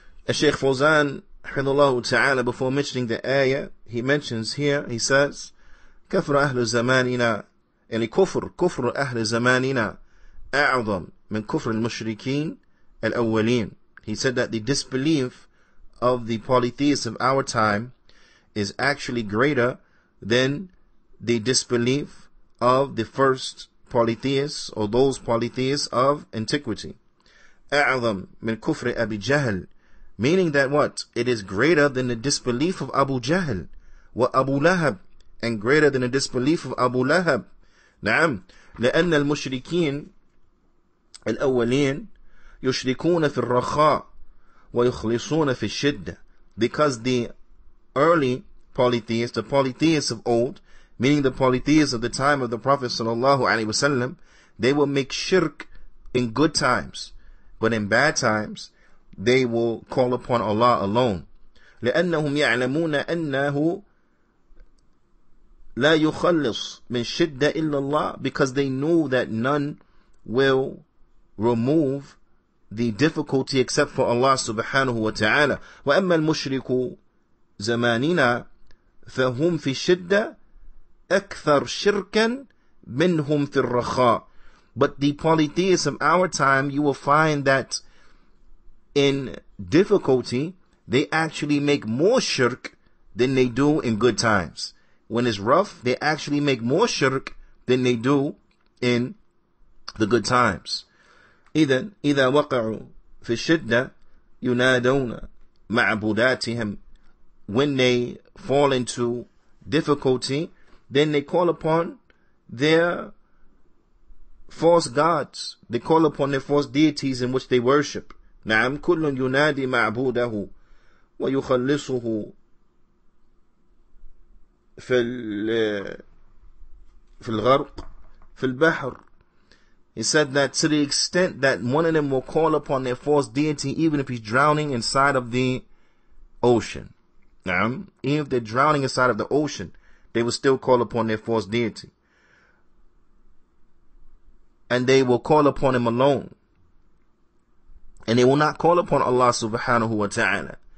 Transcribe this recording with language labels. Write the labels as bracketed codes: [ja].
[en] Sheikh Fawzan, Hidullahu Ta'ala, before mentioning the ayah, he mentions here, he says, [ar] كفر أهل زمانينا يعني كفر كفر أهل زمانينا أعظم من كفر المشركين الأولين. [en] He said that the disbelief of the polytheists of our time is actually greater than the disbelief of the first polytheists or those polytheists of antiquity. [ar] أعظم من كفر أبي جهل, [en] meaning that what? It is greater than the disbelief of Abu Jahl wa Abu Lahab, and greater than the disbelief of Abu Lahab. [ar] نعم لأن المشركين الأولين يشركون في الرخاء ويخلصون في الشدة. [en] Because the early polytheists, the polytheists of old, meaning the polytheists of the time of the Prophet sallallahu alaihi wasallam, they will make shirk in good times, but in bad times they will call upon Allah alone. [ar] لأنهم يعلمون أنه لا يخلص من شدة إلا الله, [en] because they know that none will remove the difficulty except for Allah subhanahu wa ta'ala. [ar] وأما المشرك زماننا فهم في شدة أكثر شركا منهم في الرخاء. [en] But the polytheists of our time, you will find that in difficulty they actually make more shirk than they do in good times. When it's rough, they actually make more shirk than they do in the good times. [ar] إذن إذا وقعوا في الشدة ينادون معبوداتهم. [en] When they fall into difficulty, then they call upon their false gods. They call upon their false deities in which they worship. [ar] نعم كل ينادي معبوده ويخلصه في الغرق في البحر. [en] He said that to the extent that one of them will call upon their false deity even if he's drowning inside of the ocean. نعم, even if they're drowning inside of the ocean, they will still call upon their false deity. And they will call upon him alone. And they will not call upon Allah subhanahu wa ta'ala.